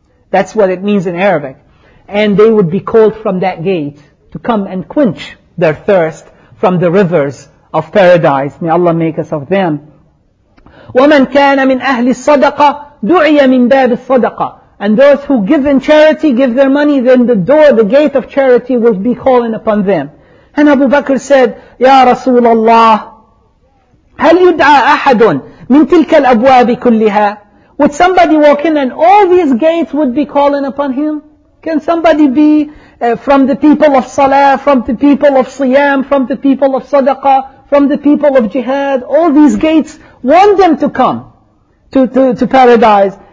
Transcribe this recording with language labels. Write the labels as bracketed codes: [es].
[en] That's what it means in Arabic. And they would be called from that gate to come and quench their thirst from the rivers of paradise. May Allah make us of them. [ar] وَمَنْ كَانَ مِنْ أَهْلِ الصَّدَقَةِ دُعِيَ مِنْ بَابِ الصَّدَقَةِ. [en] And those who give in charity, give their money, then the door, the gate of charity will be calling upon them. And Abu Bakr said, [ar] يَا رَسُولَ اللَّهِ هَلْ يُدْعَى أَحَدٌ مِنْ تِلْكَ الْأَبْوَابِ كُلِّهَا. [en] Would somebody walk in and all these gates would be calling upon him? Can somebody be from the people of Salah, from the people of Siyam, from the people of Sadaqah, from the people of Jihad? All these gates want them to come to paradise.